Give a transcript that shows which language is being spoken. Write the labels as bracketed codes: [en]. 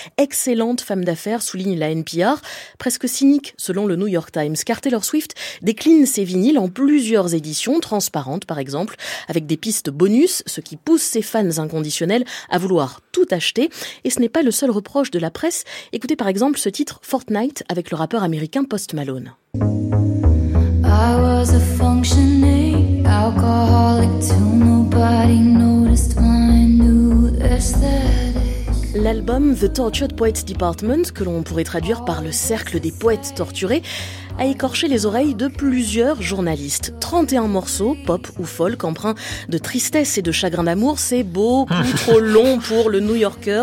[fr] Excellente femme d'affaires, souligne la NPR. Presque cynique, selon le New York Times, car Taylor Swift décline ses vinyles en plusieurs éditions, transparentes par exemple, avec des pistes bonus, ce qui pousse ses fans inconditionnels à vouloir tout acheter. Et ce n'est pas le seul reproche de la presse. Écoutez par exemple ce titre Fortnite avec le rappeur américain Post Malone. [en] I was a functioning alcoholic till nobody noticed my new aesthetic. [fr] L'album The Tortured Poets Department, que l'on pourrait traduire par le cercle des poètes torturés, a écorché les oreilles de plusieurs journalistes. 31 morceaux, pop ou folk, empreints de tristesse et de chagrin d'amour, c'est beaucoup trop long pour le New Yorker.